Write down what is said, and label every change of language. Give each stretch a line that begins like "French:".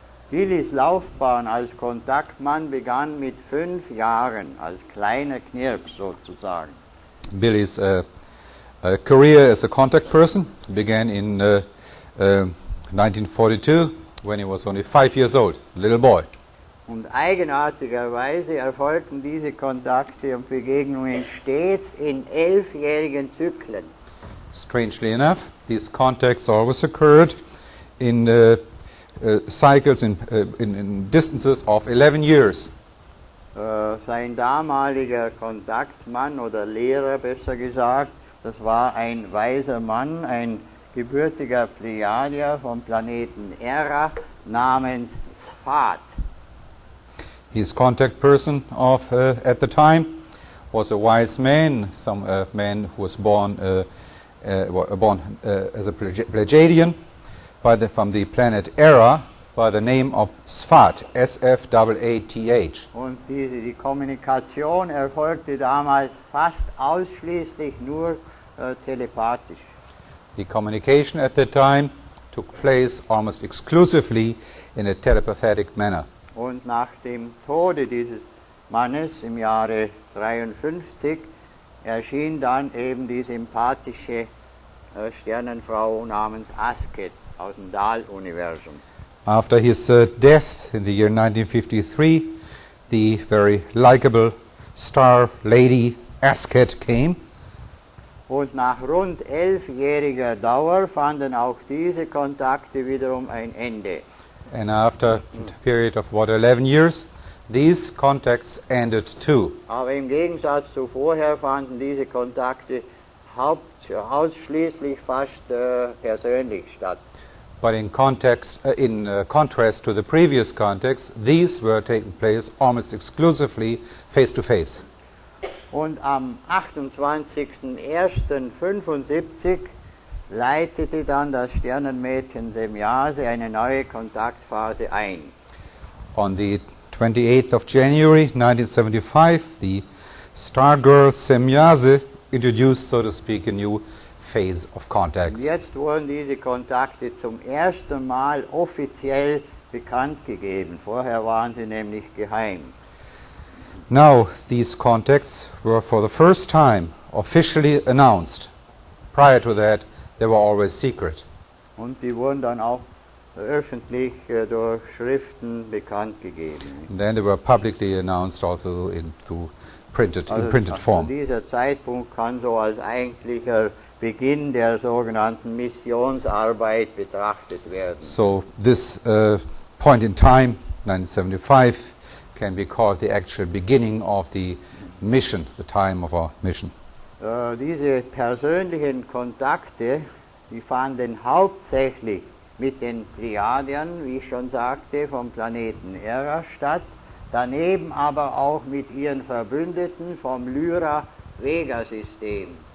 German: Willys Laufbahn als Kontaktmann begann mit 5 Jahren, als kleiner Knirp sozusagen.
English: Willys career as a contact person began in 1942, when he was only 5 years old, little boy.
German: Und eigenartigerweise erfolgten diese Kontakte und Begegnungen stets in 11-jährigen Zyklen.
English: Strangely enough, these contacts always occurred in cycles, in distances of 11 years.
German: Sein damaliger Kontaktmann oder Lehrer, besser gesagt, das war ein weiser Mann, ein gebürtiger Plejadier vom Planeten Era namens Sfat.
English: His contact person of at the time was a wise man, some man who was born as a Plejadian from the planet Era by the name of Sfat, S-F-A-A-T-H.
German: Und die Kommunikation erfolgte damals fast ausschließlich nur telepathisch.
English: The communication at the time took place almost exclusively in a telepathic manner.
German: Und nach dem Tode dieses Mannes im Jahre 53 erschien dann eben die sympathische Sternenfrau namens Asket aus dem Dahl-Universum.
English: After his death in the year 1953, the very likable star lady Asket came.
German: Und nach rund 11-jähriger Dauer fanden auch diese Kontakte wiederum ein Ende.
English: And after a period of about 11 years, these contacts ended too.
German: Aber im Gegensatz zu vorher fanden diese Kontakte ausschließlich fast persönlich statt.
English: But in contrast to the previous contacts, these were taking place almost exclusively face to face.
German: Und am 28.01.75 leitete dann das Sternenmädchen Semyase eine neue Kontaktphase ein.
English: On the 28th of January 1975, the star girl Semyase introduced, so to speak, a new phase of contacts.
German: Jetzt wurden diese Kontakte zum ersten Mal offiziell bekannt gegeben. Vorher waren sie nämlich geheim.
English: Now, these contacts were for the first time officially announced. Prior to that, they were always secret.
German: Und die wurden dann auch öffentlich durch Schriften bekannt gegeben.
English: And then they were publicly announced also in printed form.
German: Also dieser Zeitpunkt kann so als eigentlicher Beginn der sogenannten Missionsarbeit betrachtet werden.
English: So this point in time, 1975, can be called the actual beginning of the mission, the time of our mission.
German: Diese persönlichen Kontakte, die fanden hauptsächlich mit den Plejadiern, wie ich schon sagte, vom Planeten Era statt, daneben aber auch mit ihren Verbündeten vom Lyra-Vega-System.